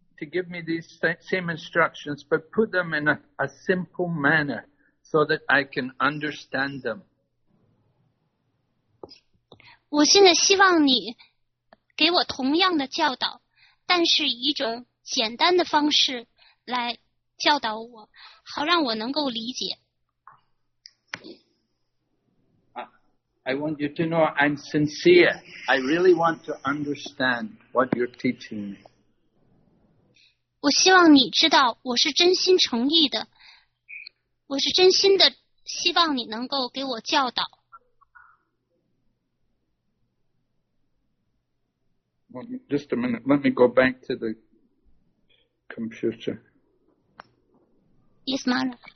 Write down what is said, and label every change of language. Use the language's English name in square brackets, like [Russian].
[English] To give me these same instructions, but put them in a simple manner so that I can understand them. [Chinese] 我现在希望你给我同样的教导，但是以一种简单的方式来教导我，好让我能够理解。 [English] I want you to know I'm sincere. I really want to understand what you're teaching me. [Chinese] 我希望你知道我是真心诚意的我是真心的希望你能够给我教导 [English] Just a minute, let me go back to the computer Yes, Mara